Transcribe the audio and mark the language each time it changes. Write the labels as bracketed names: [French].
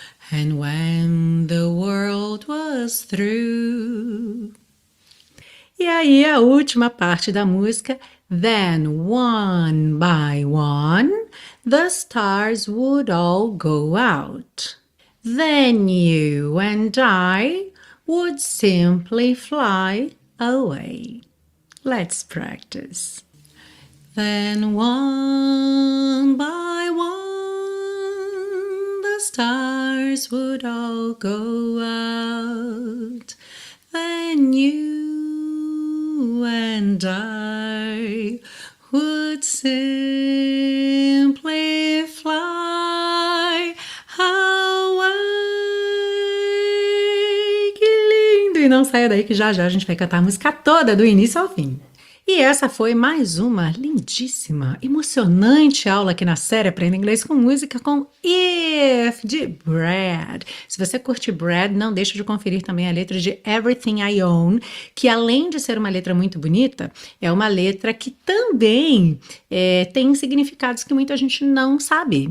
[English] And when the world was through. [Portuguese] E aí, a última parte da música. [English] Then, one by one, the stars would all go out. Then you and I would simply fly away. Let's practice. Then one by one, the stars would all go out. Then you and I would simply fly away. [Portuguese] Que lindo! E não saia daí que já já a gente vai cantar a música toda, do início ao fim. E essa foi mais uma lindíssima, emocionante aula aqui na série Aprenda Inglês com Música com If, de Brad. Se você curte Brad, não deixa de conferir também a letra de Everything I Own, que além de ser uma letra muito bonita, é uma letra que também tem significados que muita gente não sabe.